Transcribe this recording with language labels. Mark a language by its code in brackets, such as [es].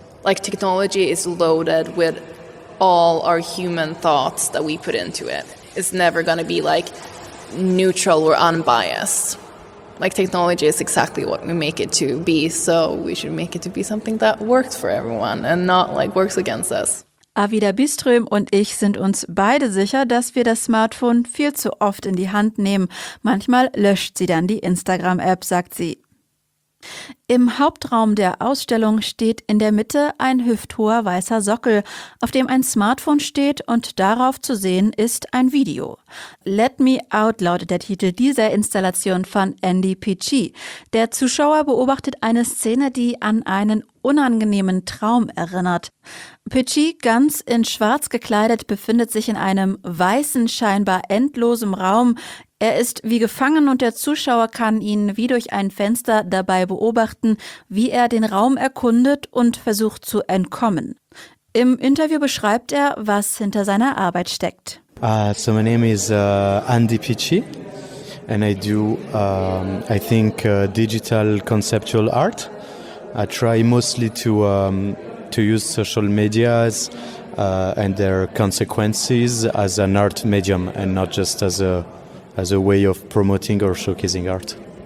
[en] Like, technology is loaded with all our human thoughts that we put into it. It's never going to be, like, neutral or unbiased. Like, technology is exactly what we make it to be, so we should make it to be something that works for everyone and not, like, works against us. [de] Avida Biström und ich sind uns beide sicher, dass wir das Smartphone viel zu oft in die Hand nehmen. Manchmal löscht sie dann die Instagram-App, sagt sie. Im Hauptraum der Ausstellung steht in der Mitte ein hüfthoher weißer Sockel, auf dem ein Smartphone steht und darauf zu sehen ist ein Video. Let Me Out lautet der Titel dieser Installation von Andy Pichy. Der Zuschauer beobachtet eine Szene, die an einen unangenehmen Traum erinnert. Pichy, ganz in Schwarz gekleidet, befindet sich in einem weißen, scheinbar endlosen Raum. Er ist wie gefangen und der Zuschauer kann ihn wie durch ein Fenster dabei beobachten, wie er den Raum erkundet und versucht zu entkommen. Im Interview beschreibt er, was hinter seiner Arbeit steckt. [en] So my name is Andy Pichy and I do, I think, digital conceptual art. I try mostly to use social medias and their consequences as an art medium and not just as a way of promoting or showcasing art.